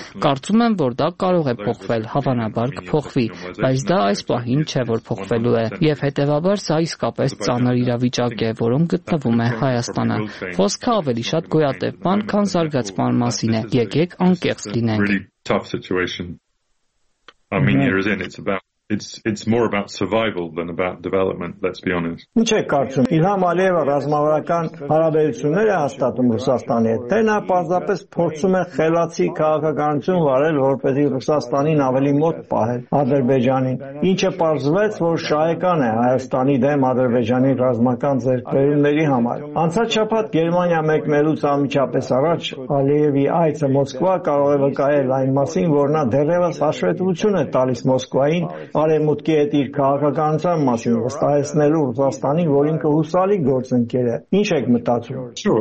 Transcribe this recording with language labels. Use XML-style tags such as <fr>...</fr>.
<hy>Կարծում եմ, որ դա կարող է փոխվել, հավանաբար կփոխվի, բայց դա այս պահին չէ, որ փոխվելու է, եւ հետեւաբար սա իսկապես ծանր իրավիճակ է, որում գտնվում է Հայաստանը։ Խոսքը ավելի շատ գոյատևման, քան զարգացման մասին է։ Եկեք անկեղծ լինենք։</hy> <en>Armenia is in. It's more about survival than about development, let's be honest.</en> <hy>Ինչ եք կարծում, Իլհամ Ալիևը ռազմավարական հարաբերություններ է հաստատում Ռուսաստանի հետ, թե նա պարզապես փորձում է խելացի քաղաքականություն վարել, որպեսզի Ռուսաստանին ավելի մոտ պահել Ադրբեջանին, ինչը պարզվեց, որ շահեկան է Հայաստանի դեմ Ադրբեջանի ռազմական ձեռքբերումների համար։ Անցած շաբաթ Գերմանիա մեկնելուց անմիջապես առաջ Ալիևի այցը Մոսկվա կարող է վկայել այն մասին, որ նա դեռևս հաշվետվություն է տալիս Մոսկվային արեմուտքի հետ իր քաղաքականության մասին, վստահեցնելու Ռուսաստանին, որ ինքը հուսալի գործընկեր է։ Ինչ եք մտածում?</hy>